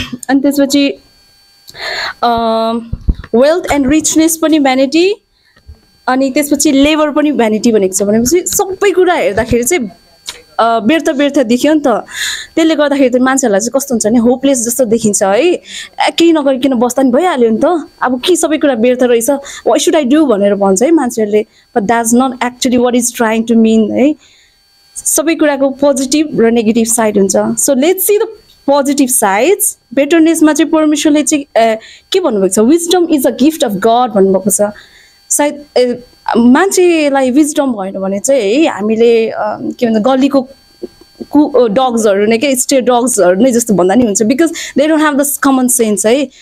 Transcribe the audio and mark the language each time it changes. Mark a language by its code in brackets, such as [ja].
[ne] अनि त्यसपछि wealth and richness पनि भ्यानिटी, अनि त्यसपछि लेबर पनि भ्यानिटी भनेको छ. भनेपछि सबै कुरा हेर्दाखेरि चाहिँ व्यर्थ व्यर्थ देखियो नि त. त्यसले गर्दाखेरि त मान्छेहरूलाई चाहिँ कस्तो हुन्छ भने होपलेस जस्तो देखिन्छ है. केही नगरिकन बस्दा नि भइहाल्यो नि त, अब के सबै कुरा व्यर्थ रहेछ, [en] what should I do [ne] भनेर भन्छ है मान्छेहरूले. [en] But that is not actually what is trying to mean है. [ne] सबै कुराको पोजिटिभ र नेगेटिभ साइड हुन्छ. [en] So let's see the positive sides. [ne] बेटरनेसमा चाहिँ परमेश्वरले चाहिँ के भन्नुभएको छ, [en] wisdom is a gift of God [ne] भन्नुभएको छ. सायद मान्छेलाई विजडम भएन भने चाहिँ है हामीले के भन्छ गल्लीको कु डग्सहरू नै, के स्टे डग्सहरू नै जस्तो भन्दा नि हुन्छ, [en] because they don't have the common sense [ne] है.